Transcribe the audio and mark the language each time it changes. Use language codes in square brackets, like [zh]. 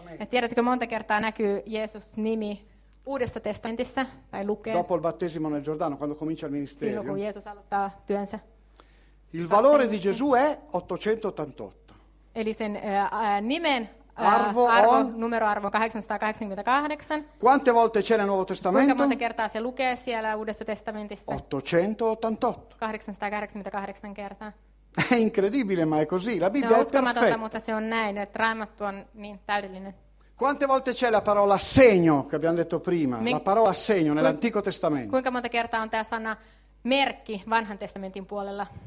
[fi] Tiedätkö monta kertaa näkyy Jeesus nimi Uudessa testamentissa tai lukee? [it] Dopo il battesimo nel Giordano, quando comincia il ministerio. [fi] Silloin kun Jeesus aloittaa työnsä. [it] Il valore di Gesù è 888. [fi] Eli sen nimen Arvo, on. Numero arvo 888. [it] Quante volte c'è nel Nuovo Testamento? [fi] Quante kertaa se lukee siellä Uudessa testamentissa? 888. 888 kertaa. [it] È incredibile, ma è così. La Bibbia è perfetta. [fi] Se on uskomatonta, mutta se on näin. Et Raamattu on niin täydellinen. [it] Quante volte c'è la parola segno, che abbiamo detto prima? La parola segno nell'Antico Testamento. [fi] Kuinka monta kertaa on tää sana merkki Vanhan testamentin puolella?